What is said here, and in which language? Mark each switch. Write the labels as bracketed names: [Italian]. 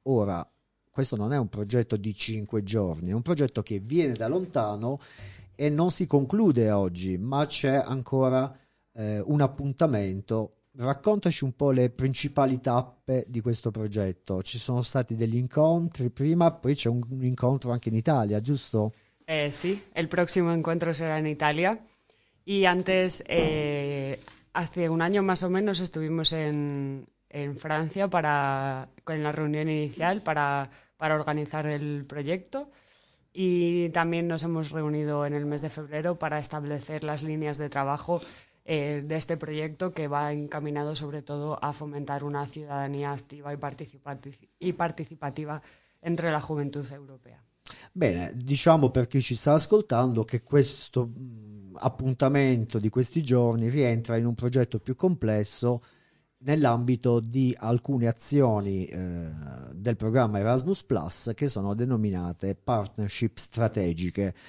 [Italian] Ora, questo non è un progetto di 5 giorni, è un progetto che viene da lontano e non si conclude oggi, ma c'è ancora un appuntamento. Raccontaci un po' le principali tappe di questo progetto. Ci sono stati degli incontri prima, poi c'è un incontro anche in Italia, giusto? Sì, il prossimo incontro sarà in Italia. [Spanish] E antes, hace un año más o menos, estuvimos en Francia para con la reunión inicial para organizar el proyecto, y también nos hemos reunido en el mes de febrero para establecer las líneas de trabajo de este proyecto, que va encaminado sobre todo a fomentar una ciudadanía activa y participativa entre la juventud europea. [Italian] Bene, diciamo per chi ci sta ascoltando che questo appuntamento di questi giorni rientra in un progetto più complesso nell'ambito di alcune azioni del programma Erasmus Plus, che sono denominate partnership strategiche.